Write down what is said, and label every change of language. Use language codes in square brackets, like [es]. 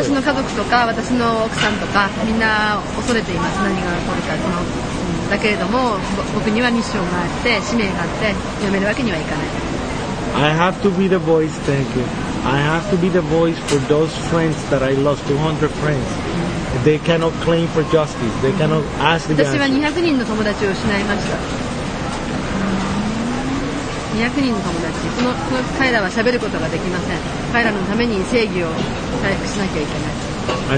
[ja] 私の家族とか私の奥さんとかみんな恐れています。何が起こるか。そのだけれども僕にはミッションがあって使命があって読めるわけにはいかない。 [en] I have to be the voice, thank you. I have to be the voice for those friends that I lost, 200 friends. They cannot claim for justice. They cannot ask the answer. [ja] 私は200人の友達を失いました。200人の友達、その彼らは喋ることができません。彼らのために正義を回復しなきゃいけない。